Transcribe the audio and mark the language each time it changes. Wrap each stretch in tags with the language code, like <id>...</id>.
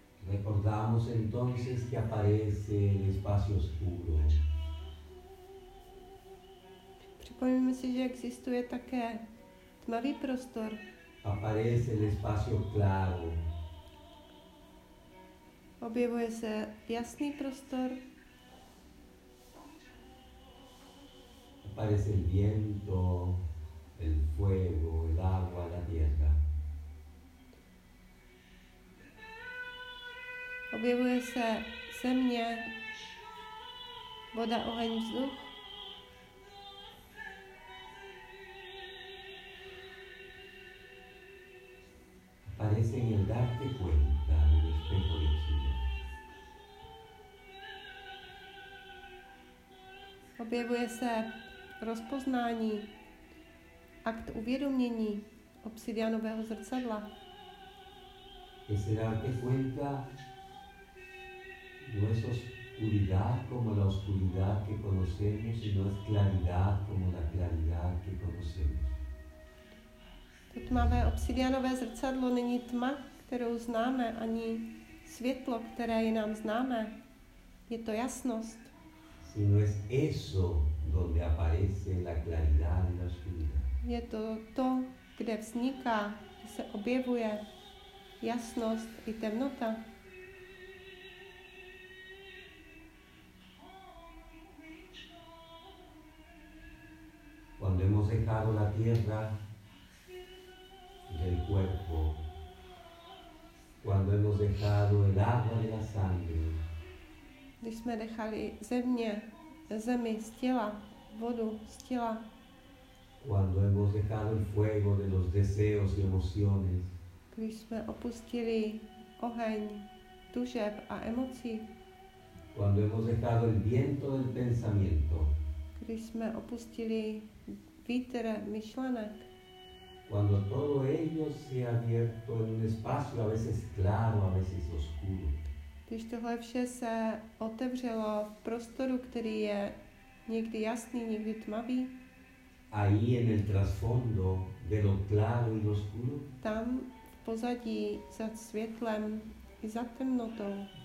<es>recordamos entonces que aparece el espacio oscuro.</es> <cs>Připomíme si, že existuje také tmavý prostor.</cs> <es>Aparece el espacio claro.</es> <cs>Objevuje se jasný prostor.</cs> <es>Aparece el viento, el fuego, el agua, la tierra.</es> <cs>Objevuje se země, voda, oheň, vzduch.</cs> <es>Aparece en el darte cuenta del espejo de Chile.</es> <cs>Objevuje se rozpoznání, akt uvědomění obsidianového zrcadla.</cs> <es>Ese darte cuenta no es oscuridad como la oscuridad que conocemos, sino es claridad como la claridad que conocemos.</es> <cs>To tmavé obsidianové zrcadlo není tma, kterou známe, ani světlo, které je nám známe. Je to jasnost.</cs> <es>Sino es eso donde aparece la claridad y la oscuridad.</es> <cs>Je to to, kde vzniká, kde se objevuje jasnost i temnota.</cs> <es>Cuando hemos dejado la tierra del cuerpo, cuando hemos dejado el agua de la sangre,</es> <cs>když jsme dechali země, zemi z těla, vodu z těla,</cs> <es>cuando hemos dejado el fuego de los deseos y emociones,</es> <cs>když jsme opustili oheň tužeb a emocí,</cs> <es>cuando hemos dejado el viento del pensamiento,</es> <cs>když jsme opustili vítr myšlenek,</cs> <es>cuando todo ello se ha abierto en un espacio a veces claro, a veces oscuro.</es> <cs>Když tohle vše se otevřelo v prostoru, který je někdy jasný, někdy tmavý.</cs> <es>Ahí en el trasfondo de lo claro y lo oscuro.</es> <cs>Tam v pozadí za světlem i za temnotou.</cs>